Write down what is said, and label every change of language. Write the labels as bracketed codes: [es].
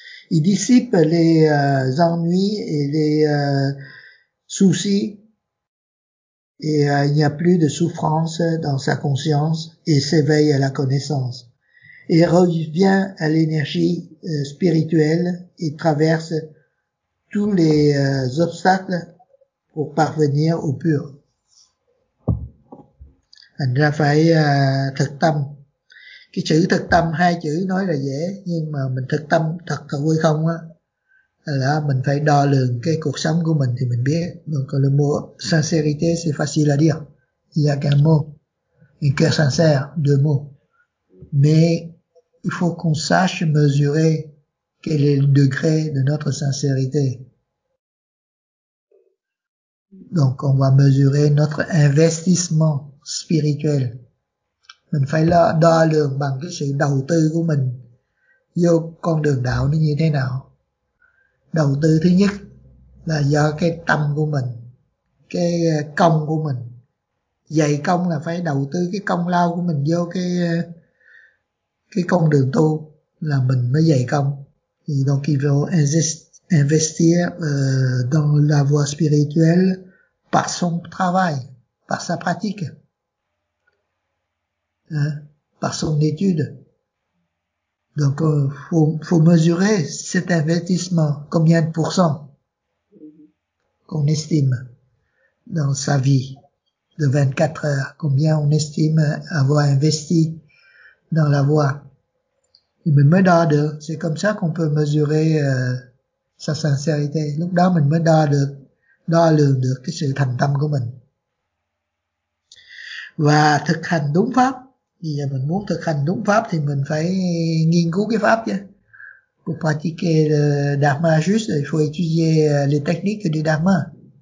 [fr] Il dissipe les ennuis et les soucis, et il n'y a plus de souffrance dans sa conscience et s'éveille à la connaissance. Et revient à l'énergie spirituelle et traverse tous les obstacles pour parvenir au pur. [vi] Thành ra phải thực tâm. Cái chữ thực tâm, hai chữ nói là dễ, nhưng mà mình thực tâm thật thật hay không á, là mình phải đo lường cái cuộc sống của mình thì mình biết. [fr] Donc le mot sincérité, c'est facile à dire. Il y a qu'un mot. Un cœur sincère, deux mots. Mais il faut qu'on sache mesurer quel est le degré de notre sincérité. Donc on va mesurer notre investissement spirituel. [vi] Mình phải đo lường bằng cái sự đầu tư của mình vô con đường đạo nó như thế nào. Đầu tư thứ nhất là do cái tâm của mình, cái công của mình. Dày công là phải đầu tư cái công lao của mình vô cái con đường tu là mình mới dày công. [fr] Donc il faut investir dans la voie spirituelle par son travail, par sa pratique, hein, par son étude. Donc, faut mesurer cet investissement, combien de pourcents qu'on estime dans sa vie de 24 heures, combien on estime avoir investi dans la voie. [vi] Mình mới đo được, [fr] c'est comme ça qu'on peut mesurer sa sincérité. [vi] Lúc đó mình mới đo lường được cái sự thành tâm của mình. Và thực hành đúng pháp. Bây giờ mình muốn thực hành đúng pháp thì mình phải nghiên cứu cái pháp chứ. [fr] Pour pratiquer le dharma juste, il faut étudier les techniques du dharma.